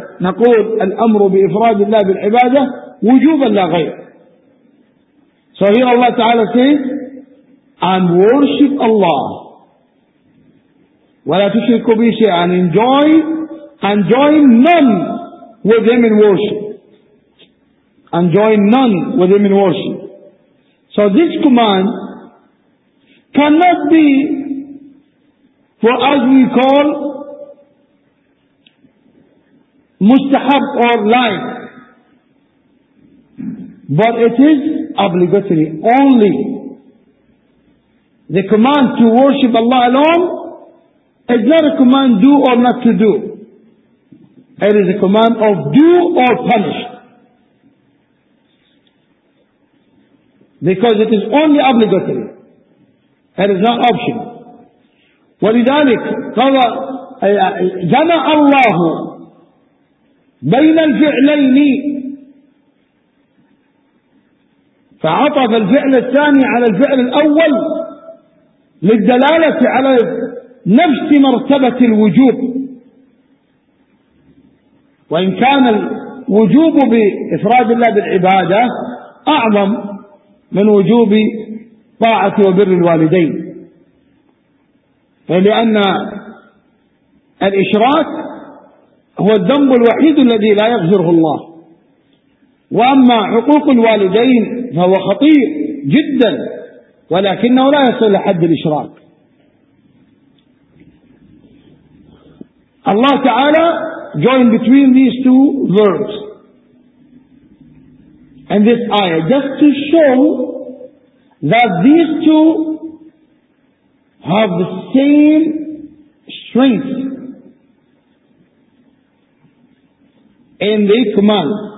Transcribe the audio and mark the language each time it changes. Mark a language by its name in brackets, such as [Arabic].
[Arabic] نقول الأمر بإفراد الله بالعبادة وجوبا لا غير. [English] So here Allah Ta'ala says, and worship Allah. [Arabic] وَلَا تُشْرِكُوا بِهِ شَيْئًا [English] and join none with him in worship. And join none with him in worship. So this command cannot be for as we call mustahab or like, but it is obligatory only. The command to worship Allah alone is not a command do or not to do. It is a command of do or punish. Because it is only obligatory. It is not optional. [Arabic] ولذلك قال جمع الله بين الفعلين فعطف الفعل الثاني على الفعل الأول للدلالة على نفس مرتبة الوجوب. وإن كان الوجوب بإفراد الله بالعبادة أعظم من وجوب طاعة وبر الوالدين، لأن الإشراك هو الذنب الوحيد الذي لا يغفره الله، وأما حقوق الوالدين فهو خطير جدا ولكنه لا يصل لحد الإشراك. [English] Allah Ta'ala joined between these two verbs and this ayah just to show that these two have the same strength in the command.